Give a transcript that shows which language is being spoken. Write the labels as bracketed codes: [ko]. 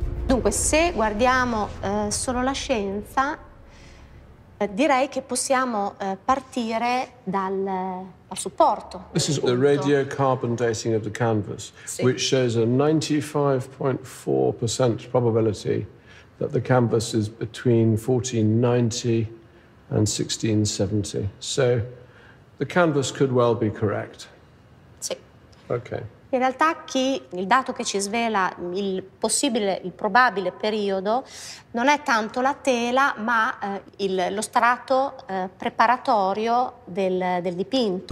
[it] Dunque, se guardiamo solo la scienza, direi che possiamo partire dal supporto. [en] This is the radiocarbon dating of the canvas, sì, which shows a 95.4% probability that the canvas is between 1490 and 1670. So the canvas could well be correct. [it] Sì. [en] Okay. [it] In realtà il dato che ci svela il possibile, il probabile periodo non è tanto la tela ma lo strato preparatorio del dipinto.